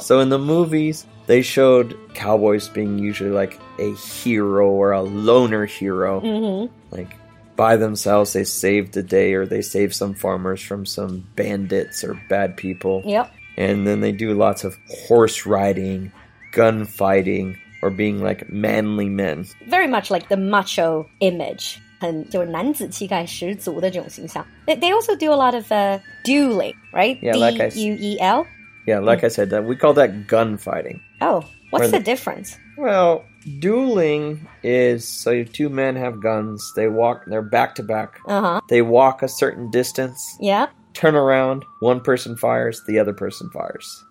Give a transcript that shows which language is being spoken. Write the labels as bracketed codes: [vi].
[en] So in the movies, they showed cowboys being usually like a hero or a loner hero. Mm-hmm. Like... by themselves, they save the day or they save some farmers from some bandits or bad people. Yep. And then they do lots of horse riding, gun fighting, or being like manly men. Very much like the macho image. [zh] 很就是男子气概十足的这种形象。 [en] They also do a lot of dueling, right? Yeah, D-U-E-L? Yeah, like I said, we call that gun fighting. Oh, what's the difference? Well... Dueling is, so two men have guns, they walk, they're back to back, they walk a certain distance, turn around, one person fires, the other person fires.